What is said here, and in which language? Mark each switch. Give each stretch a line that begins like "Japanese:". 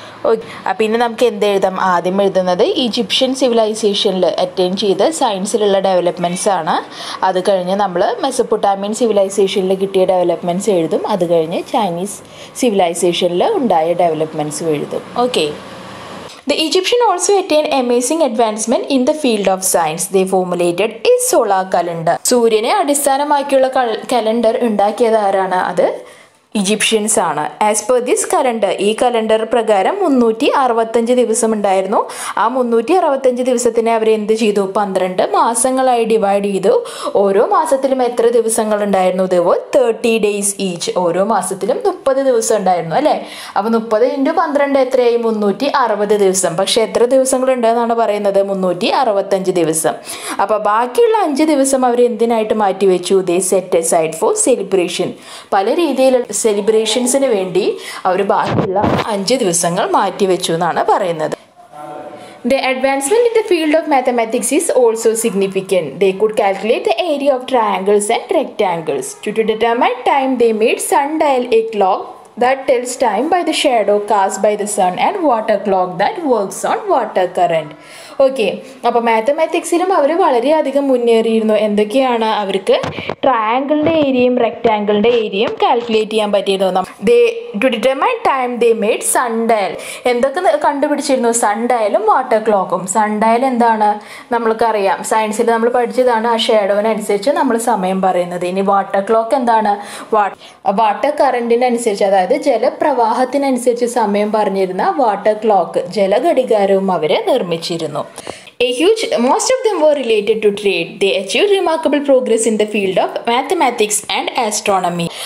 Malayalam: Okay, അപ്പോൾ ഇനി നമുക്ക് എന്ത് എഴുതാം? ആദ്യം എഴുതുന്നത് ഈജിപ്ഷ്യൻ സിവിലൈസേഷനിൽ അറ്റൈൻ ചെയ്ത സയൻസിലുള്ള ഡെവലപ്മെൻറ്റ്സ് ആണ്. അത് കഴിഞ്ഞ് നമ്മൾ മെസപ്പൊട്ടാമിയൻ സിവിലൈസേഷനിൽ കിട്ടിയ ഡെവലപ്മെൻറ്റ്സ് എഴുതും. അത് കഴിഞ്ഞ് ചൈനീസ് സിവിലൈസേഷനിൽ ഉണ്ടായ ഡെവലപ്മെൻറ്റ്സും എഴുതും. Okay.
English: The Egyptians also attained amazing advancement in the field of science. They formulated a solar calendar.
Malayalam: സൂര്യനെ അടിസ്ഥാനമാക്കിയുള്ള കലണ്ടർ ഉണ്ടാക്കിയത് ആരാണ്? അത് ഈജിപ്ഷ്യൻസ് ആണ്.
English: as per this calendar,
Malayalam: ഈ കലണ്ടർ പ്രകാരം 365 ദിവസം ഉണ്ടായിരുന്നു. ആ 365 ദിവസത്തിനെ അവർ എന്ത് ചെയ്തു? 12 മാസങ്ങളായി ഡിവൈഡ് ചെയ്തു. ഓരോ മാസത്തിലും എത്ര ദിവസങ്ങൾ ഉണ്ടായിരുന്നു? ഇതുപോലെ
English: 30 days each,
Malayalam: ഓരോ മാസത്തിലും 30 ദിവസം ഉണ്ടായിരുന്നു അല്ലേ. അപ്പോൾ 30 × 12 എത്രയായി? 360 ദിവസം. പക്ഷേ എത്ര ദിവസങ്ങൾ ഉണ്ടെന്നാണ് പറയുന്നത്? 365 ദിവസം. അപ്പോൾ ബാക്കിയുള്ള 5 ദിവസം അവർ എന്തിനായിട്ട് മാറ്റിവെച്ചു?
English: They set aside for celebration.
Malayalam: പല രീതിയിലുള്ള സെലിബ്രേഷൻസിന് വേണ്ടി അവർ ബാക്കിയുള്ള 5 ദിവസങ്ങൾ മാറ്റിവെച്ചു എന്നാണ് പറയുന്നത്.
English: The advancement in the field of mathematics is also significant. They could calculate the area of triangles and rectangles. To determine time, they made sundial, a clock that tells time by the shadow cast by the sun, and water clock that works on water current.
Malayalam: Okay, അപ്പോൾ മാത്തമാറ്റിക്സിലും അവർ വളരെയധികം മുന്നേറിയിരുന്നു. എന്തൊക്കെയാണ്? അവർക്ക് ട്രയാങ്കിളിൻ്റെ ഏരിയയും റെക്റ്റാങ്കിളിൻ്റെ ഏരിയയും calculate ചെയ്യാൻ പറ്റിയിരുന്നു.
English: To determine time they made sundial.
Malayalam: എന്തൊക്കെ കണ്ടുപിടിച്ചിരുന്നു? Sun ഡയലും water ക്ലോക്കും. Sun dial എന്താണ്? നമ്മൾക്കറിയാം, സയൻസിൽ നമ്മൾ പഠിച്ചതാണ്, ആ ഷേഡോവിനനുസരിച്ച് നമ്മൾ സമയം പറയുന്നത്. ഇനി വാട്ടർ ക്ലോക്ക് എന്താണ്? വാട്ടർ കറണ്ടിനനുസരിച്ച്, അതായത് ജലപ്രവാഹത്തിനനുസരിച്ച് സമയം പറഞ്ഞിരുന്ന water clock, ജലഘടികാരവും our നിർമ്മിച്ചിരുന്നു.
English: A huge, most of them were related to trade. They achieved remarkable progress in the field of mathematics and astronomy.